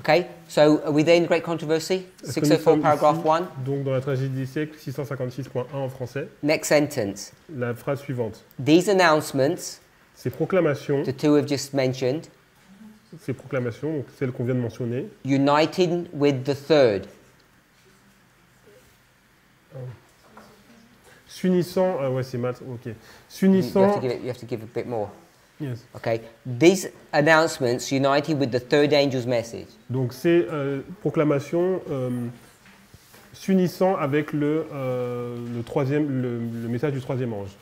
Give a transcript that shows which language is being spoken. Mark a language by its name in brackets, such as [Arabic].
[English] Okay, so are we there in Great Controversy? 604, paragraph 1. [French] Donc, dans la tragédie des siècles, 656.1 en français. [English] Next sentence. [French] La phrase suivante. [English] These announcements. [French] Ces proclamations. [English] The two we've just mentioned. [French] Ces proclamations, donc celles qu'on vient de mentionner. [English] United with the third. [French] S'unissant, ouais c'est mal, ok. S'unissant. [English] You have to give a bit more. Yes. Okay. These announcements united with the third angel's message. [French] Donc ces proclamations s'unissant avec le troisième, le message du troisième ange.